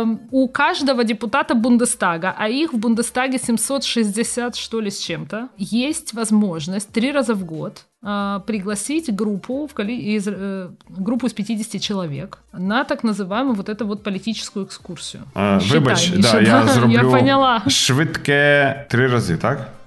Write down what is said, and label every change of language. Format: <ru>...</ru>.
<uk>У кожного депутата Бундестага, а їх в Бундестагі 760 з чим-то, є можливість 3 рази</uk> <ru>в год пригласить группу, группу из 50 человек на так называемую вот эту вот</ru> <uk>політичну екскурсію. Вибач, да, я зроблю швидке три рази, так?</uk>